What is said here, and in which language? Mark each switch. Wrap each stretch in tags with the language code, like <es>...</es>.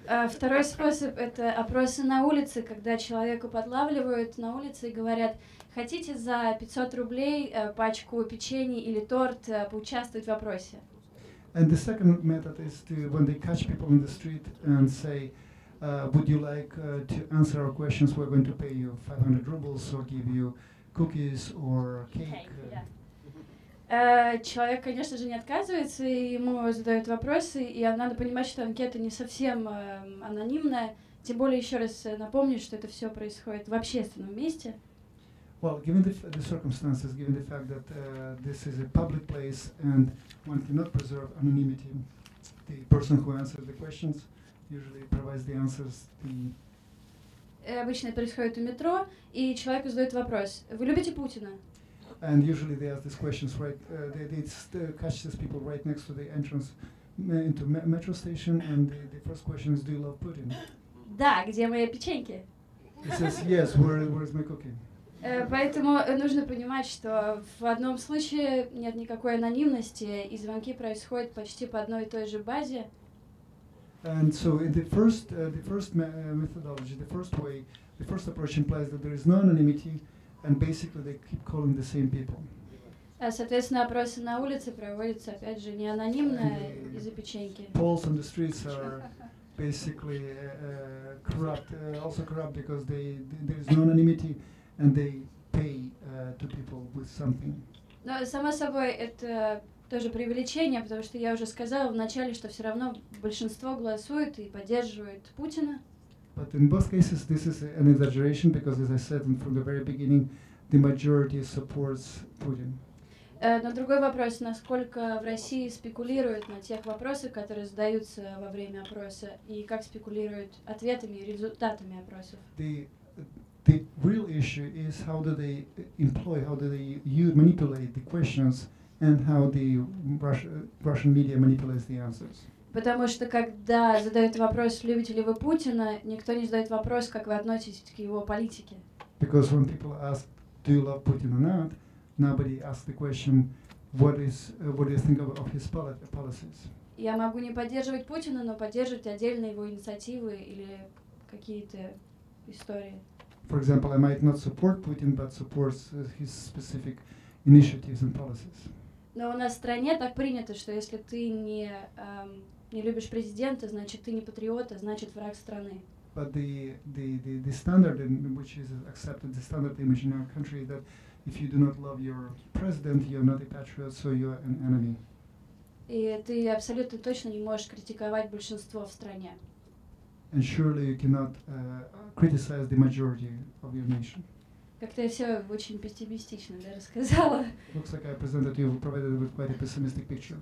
<ru>Второй способ – это опросы на улице, когда человеку подлавливают на улице и говорят: хотите за 500 рублей пачку печенья или торт поучаствовать в опросе?</ru> <en>And the second method is when they catch people in the street and say, would you like to answer our questions? We're going to pay you 500 rubles or give you cookies or cake.</en> <ru>Человек, конечно же, не отказывается, и ему задают вопросы, и надо понимать, что анкета не совсем анонимная, тем более еще раз напомню, что это все происходит в общественном месте.</ru> <en>Well, given the circumstances, given the fact that this is a public place and one cannot preserve anonymity, the person who answers the questions usually provides the answers.</en> <ru>Обычно происходит у метро, и человеку задают вопрос: вы любите Путина?</ru> <en>And usually they ask these questions right. They catch these people right next to the entrance into metro station, and the first question is, "Do you love Putin?"</en> <ru>Да, где мои печеньки?</ru> <en>He says, "Yes. Where is my cookie?"</en> <ru>Поэтому нужно понимать, что в одном случае нет никакой анонимности, и звонки происходят почти по одной и той же базе.</ru> <en>And so in the first approach implies that there is no anonymity, and basically they keep calling the same people.</en> <ru>Соответственно, опросы на улице проводятся, опять же, не анонимно из-за печеньки.</ru> <en>Polls on the streets are basically corrupt, also corrupt because there is no anonymity and they pay to people with something.</en> <ru>Но само собой это тоже преувеличение, потому что я уже сказала в начале, что все равно большинство голосует и поддерживает Путина.</ru> <en>But in both cases this is an exaggeration because, as I said from the very beginning, the majority supports Putin.</en> <ru>Но другой вопрос, насколько в России спекулируют на тех вопросах, которые задаются во время опроса, и как спекулируют ответами и результатами опросов?</ru> <en>The real issue is how do they employ, how do they manipulate the questions, and how the Russian media manipulates the answers.</en> <ru>Потому что когда задают вопрос, любите ли вы Путина, никто не задает вопрос, как вы относитесь к его политике.</ru> <en>Because when people ask, do you love Putin or not, nobody asks the question, what do you think of his policies?</en> <ru>Я могу не поддерживать Путина, но поддерживать отдельно его инициативы или какие-то истории.</ru> <en>For example, I might not support Putin, but support his specific initiatives and policies.</en> <ru>Но у нас в стране так принято, что если ты не не любишь президента, значит ты не патриот, а значит враг страны.</ru> <en>But the standard in which is accepted, the standard image in our country is that if you do not love your president, you're not a patriot, so you're an enemy.</en> <ru>И ты абсолютно точно не можешь критиковать большинство в стране.</ru> <en>And surely you cannot criticize the majority of your nation.</en> <ru>Как-то я все очень пессимистично, да, рассказала.</ru> <en>Looks like I presented you provided with quite a pessimistic picture.</en>